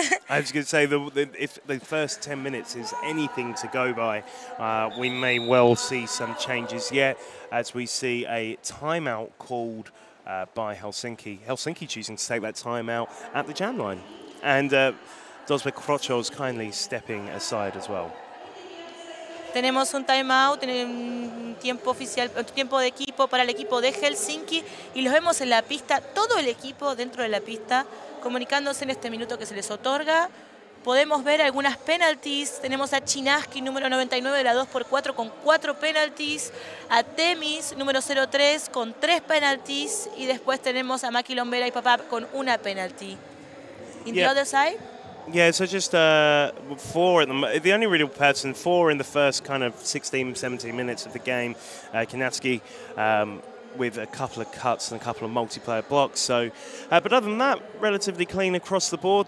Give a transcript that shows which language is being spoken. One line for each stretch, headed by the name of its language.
English: I was going to say, if the first 10 minutes is anything to go by, we may well see some changes yet, as we see a timeout called by Helsinki. Helsinki choosing to take that timeout at the jam line. And Dosbeck Krochol is kindly stepping aside as well.
Spanish: Tenemos un timeout, tiempo oficial, tiempo de equipo para el equipo de Helsinki, y los vemos en la pista, todo el equipo dentro de la pista, comunicándose en este minuto que se les otorga. Podemos ver algunas penalties. Tenemos a Chinaski, número 99 de la 2x4, con 4 penalties. A Temis, número 03, con 3 penalties. Y después tenemos a Maki Lombera y Papá con 1 penalty.
English: In the other side? Yeah, so just four at the only real person, four in the first kind of 16, 17 minutes of the game. Kanatsky with a couple of cuts and a couple of multiplayer blocks. So, but other than that, relatively clean across the board.